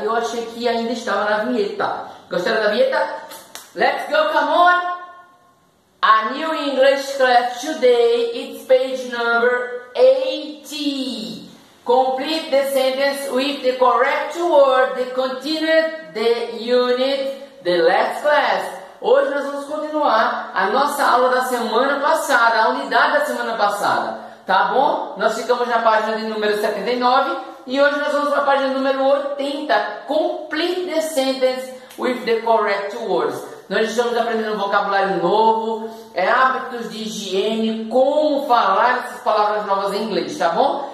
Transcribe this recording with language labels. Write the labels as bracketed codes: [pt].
[pt] E eu achei que ainda estava na vinheta. Gostaram da vinheta? [en] Let's go. Come on. A new English class today, it's page number 80. Complete the sentence with the correct word, the continued the unit, the last class. [pt] Hoje nós vamos continuar a nossa aula da semana passada, a unidade da semana passada, tá bom? Nós ficamos na página de número 79 e hoje nós vamos para a página número 80. [en] Complete the sentence with the correct words. [pt] Nós estamos aprendendo vocabulário novo, hábitos de higiene, como falar essas palavras novas em inglês, tá bom?